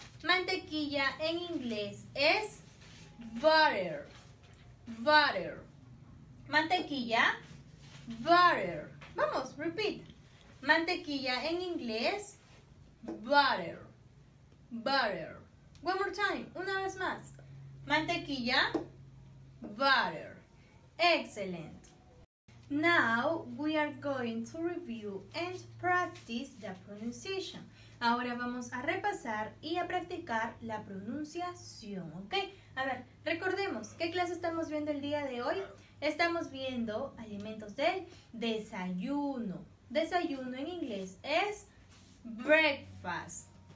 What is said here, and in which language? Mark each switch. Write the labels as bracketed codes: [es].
[es] Mantequilla en inglés es butter. Butter. Mantequilla, butter. Vamos, repeat. Mantequilla en inglés, butter. Butter. [en] One more time, [es] una vez más. Mantequilla, butter. Excellent. [en] Now we are going to review and practice the pronunciation. [es] Ahora vamos a repasar y a practicar la pronunciación, ¿ok? A ver, recordemos, ¿qué clase estamos viendo el día de hoy? Estamos viendo alimentos del desayuno. Desayuno en inglés es breakfast.